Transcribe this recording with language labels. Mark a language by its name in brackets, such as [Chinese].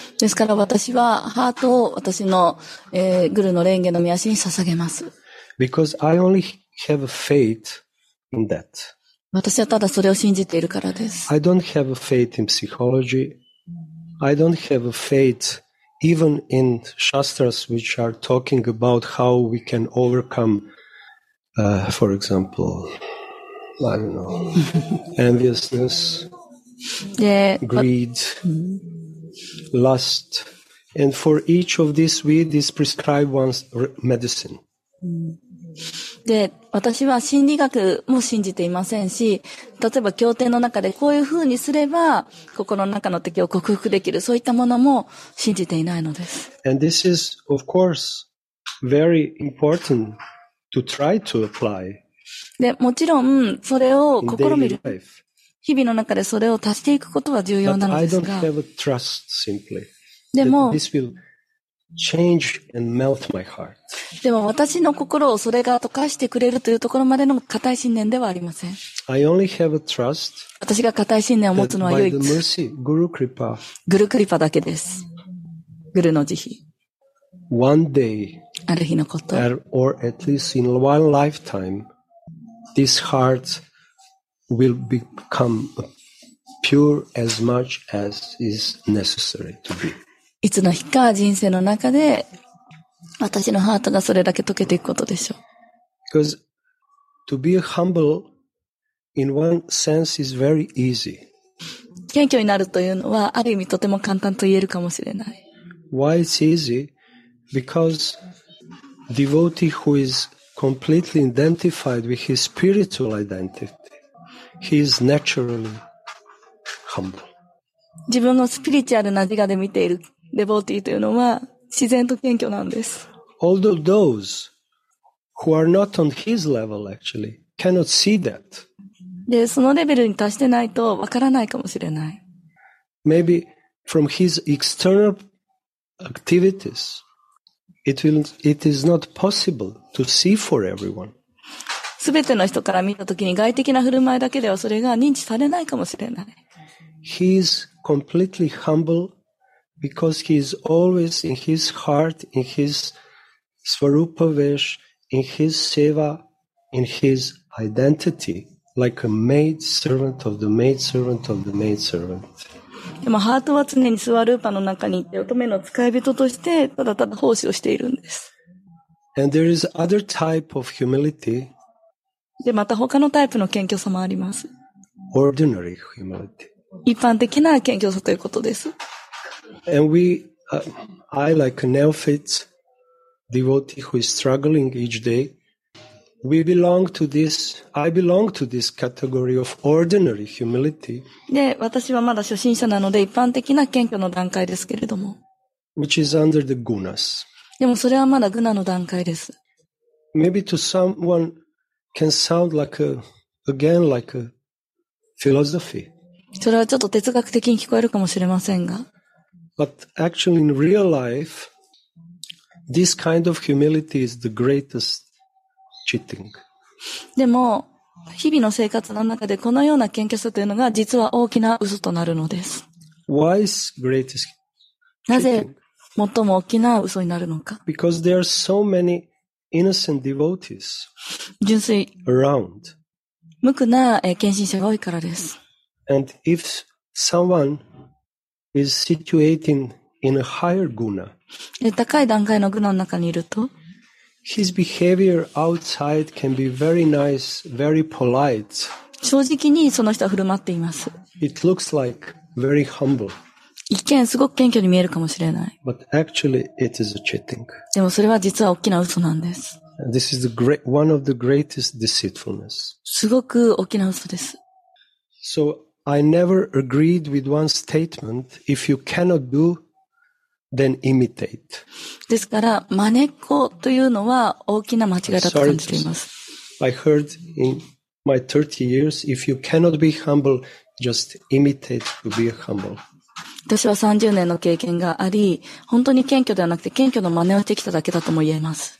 [Japanese] ですから私はハートを私の、グルの蓮華の御足に捧げます。 [English] Because I only have a faith in that. [Japanese] 私はただそれを信じているからです。 [English] I don't have a faith in psychology. I don't have a faith even in shastras which are talking about how we can overcome, for example, I don't know, enviousness, で、greed, lust, and for each of these, we is prescribed one's medicine. [Japanese] で、私は心理学も信じていませんし、例えば経典の中でこういうふうにすれば心の中の敵を克服できる、そういったものも信じていないのです。 [English] And this is, of course, very important to try to apply. [Japanese] で、もちろんそれを試みる。日々の中でそれを足していくことは重要なのですが、 [English] But I don't have a trust simply. [Japanese] でも、 [English] this will change and melt my heart. [Japanese] でも私の心をそれが溶かしてくれるというところまでの固い信念ではありません。 [English] I only have a trust. [Japanese] 私が固い信念を持つのは唯一 [English] by the mercy, Guru Kripa. [Japanese] グルクリパだけです。グルの慈悲。 [English] One day. [Japanese] ある日のこと。 [English] Or at least in one lifetime, this heart. Will become pure as much as is necessary to be. [Japanese] いつの日か人生の中で私のハートがそれだけ溶けていくことでしょう。 [English] Because to be humble in one sense is very easy. [Japanese] 謙虚になるというのはある意味とても簡単と言えるかもしれない。 [English] Why it's easy? Because devotee who is completely identified with his spiritual identity. He is naturally humble. [Japanese] 自分のスピリチュアルな自我で見ているデボーティーというのは自然と謙虚なんです。 [English] Although those who are not on his level actually cannot see that. [Japanese] で、そのレベルに達してないとわからないかもしれない。 [English] Maybe from his external activities, it is not possible to see for everyone. [Japanese] すべての人から見たときに外的な振る舞いだけではそれが認知されないかもしれない。 [English] He is completely humble because he is always in his heart, in his Swarupa Vesh, in his Seva, in his identity, like a maid servant of the maid servant of the maid servant. [Japanese] でもハートは常にスワルーパの中にいて乙女の使い人としてただただ奉仕をしているんです。 [English] And there is other type of humility. [Japanese] で、また他のタイプの謙虚さもあります。 [English] Ordinary humility. [Japanese] 一般的な謙虚さということです。 [English] And we, I like a neophyte devotee who is struggling each day, we belong to this, I belong to this category of ordinary humility. [Japanese] で、私はまだ初心者なので一般的な謙虚の段階ですけれども。 [English] Which is under the gunas. [Japanese] でもそれはまだグナの段階です。 [English] Maybe to someone,Can sound like a, again like a philosophy. [Japanese] それはちょっと哲学的に聞こえるかもしれませんが。 [English] But actually in real life, this kind of humility is the greatest cheating. [Japanese] でも、日々の生活の中でこのような謙虚さというのが実は大きな嘘となるのです。 [English] Why is greatest cheating? [Japanese] なぜ最も大きな嘘になるのか。 [English] Because there are so many innocent devotees. [Japanese] 純粋 [English] around. [Japanese] 無垢な献身者が多いからです。 [English] And if someone is situating in a higher guna, [Japanese] 高い段階のグナの中にいると、 [English] his behavior outside can be very nice, very polite. [Japanese] 正直にその人は振る舞っています。 [English] It looks like very humble. [Japanese] 一見すごく謙虚に見えるかもしれない。 [English] But actually it is a cheating. [Japanese] でもそれは実は大きな嘘なんです。 [English] This is the great, one of the greatest deceitfulness. [Japanese] すごく大きな嘘です。 [English] So I never agreed with one statement, if you cannot do, then imitate. [Japanese] ですから、まねっこというのは大きな間違いだと感じています。 [English] I heard in my 30 years, if you cannot be humble, just imitate to be humble. [Japanese] 私は30年の経験があり、本当に謙虚ではなくて謙虚の真似をしてきただけだとも言えます。